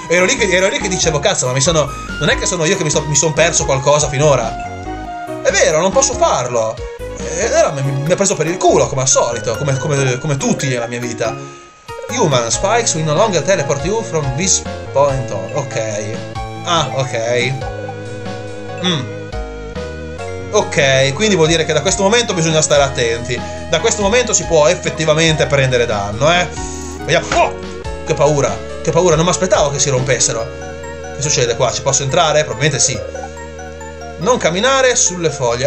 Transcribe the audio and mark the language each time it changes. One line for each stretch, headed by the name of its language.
Italian: Ero lì che dicevo, cazzo, ma mi sono. Non è che sono io che mi sono perso qualcosa finora. È vero, non posso farlo. Allora mi ha preso per il culo, come al solito, come tutti nella mia vita.
English: Human spikes will no longer teleport you from this point on. Ok. Ah, ok.
Italian: Ok, quindi vuol dire che da questo momento bisogna stare attenti. Da questo momento si può effettivamente prendere danno, eh. Vediamo. Oh! Che paura! Che paura, non mi aspettavo che si rompessero. Che succede qua? Ci posso entrare? Probabilmente sì. Non camminare sulle foglie.